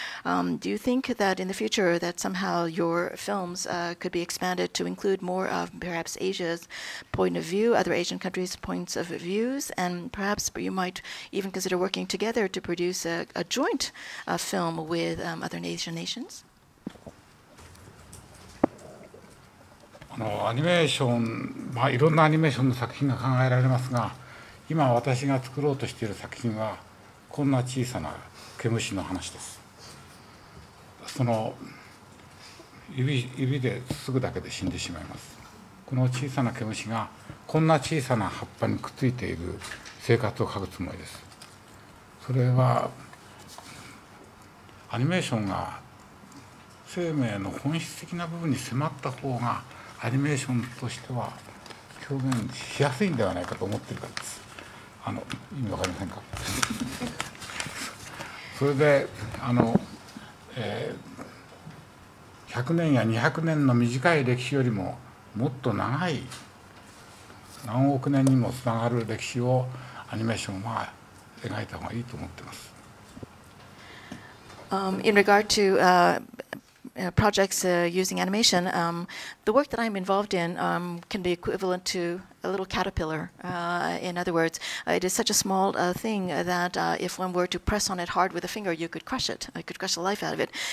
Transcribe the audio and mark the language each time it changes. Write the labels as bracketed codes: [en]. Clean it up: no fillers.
[en] Do you think that in the future that somehow your films could be expanded to include more of perhaps Asia's point of view, other Asian countries' points of views, and perhaps you might even consider working together to produce a joint film with other Asian nations? [ja] アニメーション、まあ、いろんなアニメーションの作品が考えられますが、今私が作ろうとしている作品はこんな小さな毛虫の話です。その指でつつぐだけで死んでしまいます。この小さな毛虫がこんな小さな葉っぱにくっついている生活を描くつもりです。それはアニメーションが生命の本質的な部分に迫った方がアニメーションとしては表現しやすいんではないかと思っているからです。意味わかりませんか。それで100年や200年の短い歴史よりももっと長い何億年にもつながる歴史をアニメーションは描いた方がいいと思っています。 [en] In regard to projects using animation, the work that I'm involved in can be equivalent to a little caterpillar. In other words, it is such a small thing that if one were to press on it hard with a finger, you could crush it. You could crush the life out of it.